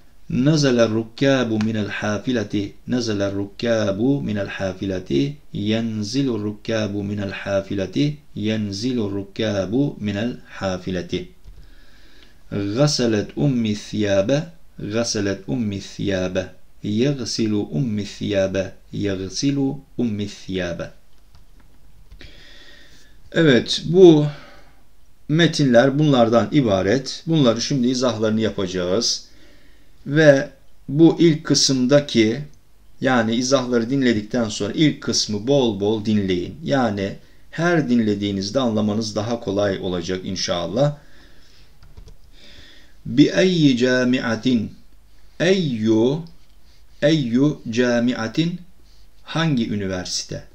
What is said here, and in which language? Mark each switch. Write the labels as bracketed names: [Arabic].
[Arabic] نزل الركاب من الحافلة نزل الركاب من الحافلة ينزل الركاب من الحافلة ينزل الركاب من الحافلة غسلت أم الثياب غسلت أم الثياب يغسل أم الثياب يغسل أم الثياب [Turkish] Evet bu metinler bunlardan ibaret. Bunları şimdi izahlarını yapacağız. Ve bu ilk kısımdaki yani izahları dinledikten sonra ilk kısmı bol bol dinleyin. Yani her dinlediğinizde anlamanız daha kolay olacak inşallah. [Arabic] بِأَيِّ جَامِعَةٍ اَيُّ جَامِعَةٍ [Turkish] Hangi üniversite?